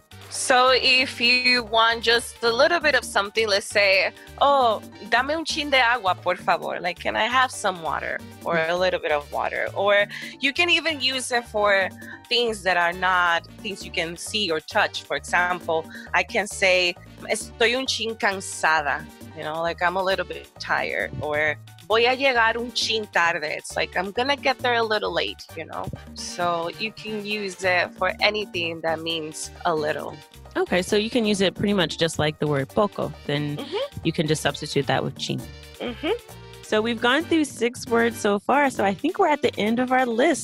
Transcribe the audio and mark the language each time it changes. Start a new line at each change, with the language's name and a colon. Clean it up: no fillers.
English: So if you want just a little bit of something, let's say, oh,
Spanish: dame un chin de agua, por favor.
English: Like, can I have some water or a little bit of water? Or you can even use it for things that are not things you can see or touch. For example, I can say,
Spanish: estoy un chin cansada.
English: You know, like I'm a little bit tired.
Spanish: Or voy a llegar un chin tarde.
English: It's like I'm going to get there a little late, you know. So you can use it for anything that means a little. Okay, so you can use it pretty much just like the word poco. Then You can just substitute that with chin. Mm-hmm. So we've gone through 6 words so far. So I think we're at the end of our list.